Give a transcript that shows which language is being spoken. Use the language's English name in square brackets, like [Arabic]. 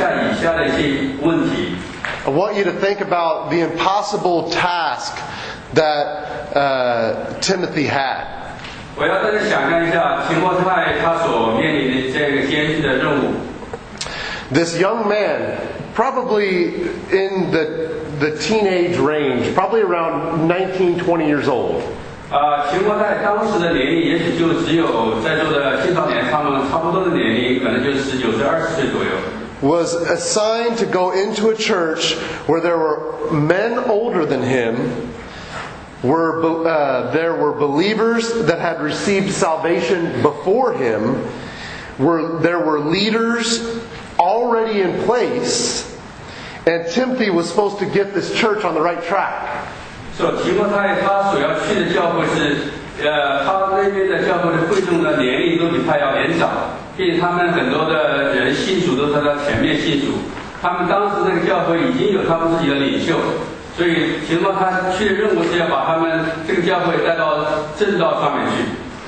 [English] I want you to think about the impossible task that Timothy had. [Chinese] 我要再想象一下提摩太他所面临的这个艰巨的任务。 [English] This young man, probably in the teenage range, probably around 19, 20 years old. [Chinese] 提摩太当时的年龄也许就只有在座的青少年他们差不多的年龄，可能就是19至20岁左右。 [English] Was assigned to go into a church where there were men older than him. There were believers that had received salvation before him. There were leaders already in place, and Timothy was supposed to get this church on the right track. [Chinese] So, 提摩太他所要去的教会是，他那边的教会的会众的年龄都比他要年长，并他们很多的人信主都在他前面信主。他们当时那个教会已经有他们自己的领袖。所以提摩他去的任务是要把他们这个教会带到正道上面去。